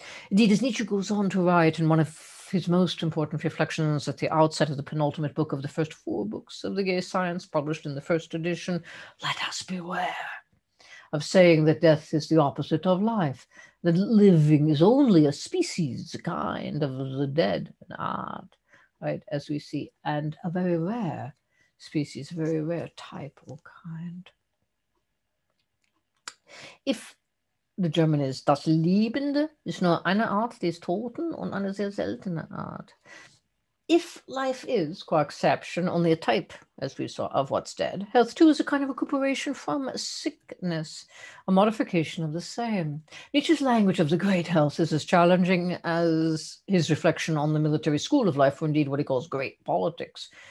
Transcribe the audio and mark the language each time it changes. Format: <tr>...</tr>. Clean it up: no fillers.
<en>Indeed, as Nietzsche goes on to write in one of his most important reflections at the outset of the penultimate book of the first four books of the Gay Science, published in the first edition, let us beware of saying that death is the opposite of life, that living is only a species, a kind of the dead, an art, right, as we see, and a very rare species, a very rare type or kind. If the German is</en> <de>das Lebende, ist nur eine Art des Toten und eine sehr seltene Art.</de> <en>If life is, qua exception, only a type, as we saw, of what's dead, health too is a kind of recuperation from sickness, a modification of the same. Nietzsche's language of the great health is as challenging as his reflection on the military school of life, or indeed what he calls great politics.</en>